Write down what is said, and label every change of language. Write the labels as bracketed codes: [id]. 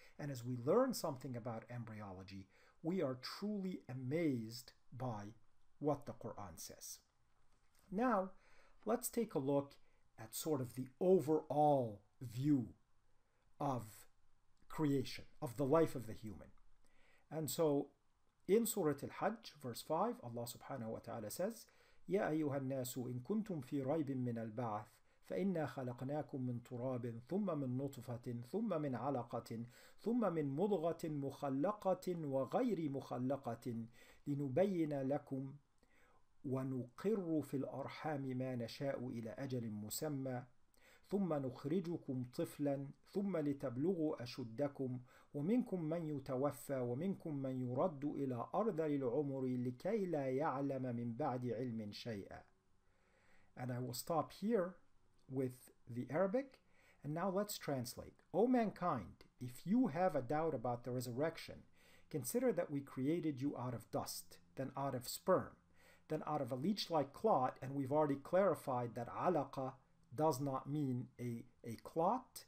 [en] And as we learn something about embryology, we are truly amazed by what the Quran says. Now, let's take a look at sort of the overall view of creation, of the life of the human. And so, in Surah Al-Hajj, verse 5, Allah subhanahu wa ta'ala says, [ar] يَا أَيُّهَا النَّاسُ إِن كُنْتُمْ فِي رَيْبٍ مِّنَ الْبَعْثِ فَإِنَّا خَلَقْنَاكُمْ مِنْ تُرَابٍ ثُمَّ مِنْ نُطْفَةٍ ثُمَّ مِنْ عَلَقَةٍ ثُمَّ مِنْ مُضْغَةٍ مُخَلَّقَةٍ وَغَيْرِ مُخَلَّقَةٍ لِنُبَيِّنَ لَكُمْ وَنُقِرُّ فِي الْأَرْحَامِ مَا نَشَاءُ إِلَى أَجَلٍ مُسَمَّى ثُمَّ نُخْرِجُكُمْ طِفْلًا ثُمَّ لِتَبْلُغُوا أَشُدَّكُمْ وَمِنْكُمْ مَنْ يُتَوَفَّى وَمِنْكُمْ مَنْ يُرَدُّ إِلَى أَرْذَلِ الْعُمُرِ لِكَيْ لَا يَعْلَمَ مِنْ بَعْدِ عِلْمٍ شَيْئًا. [en] And I will stop here with the Arabic. And now let's translate. O mankind, if you have a doubt about the resurrection, consider that we created you out of dust, then out of sperm, then out of a leech-like clot, and we've already clarified that alaqa does not mean a clot.